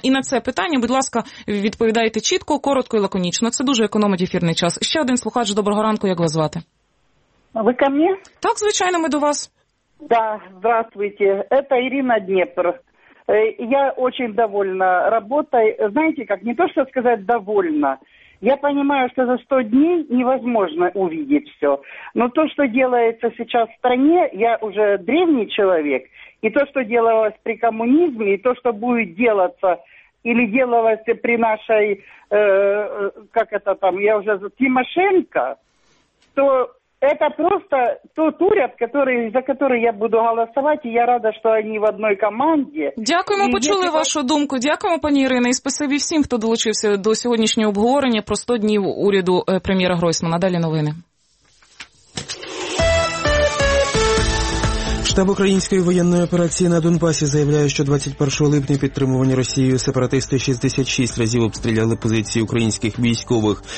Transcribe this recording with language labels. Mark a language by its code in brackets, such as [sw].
[uk] І на це питання, будь ласка, відповідайте чітко, коротко і лаконічно. Це дуже економить ефірний час. Ще один слухач, доброго ранку, як вас звати? Ви ко мені? Так, звичайно, ми до вас. [ru] Да, здравствуйте. Это Ирина Днепр. [uk] Я дуже довольна роботою. Знаєте, як не то, що сказати «довольна». [ru] Я понимаю, что за 100 дней невозможно увидеть все. Но то, что делается сейчас в стране, я уже древний человек, и то, что делалось при коммунизме, и то, что будет делаться или делалось при нашей, как это там, я уже за Тимошенко, то это просто тот уряд, который, за который я буду голосовать, и я рада, что они в одной команде. [uk] Дякуємо, почули вашу думку. Дякуємо, пані Ірино, і спасибі всім, хто долучився до сьогоднішнього обговорення про 100 днів уряду прем'єра Гройсмана. Далі новини. Штаб української воєнної операції на Донбасі заявляє, що 21 липня підтримувані Росією сепаратисти 66 разів обстріляли позиції українських військових.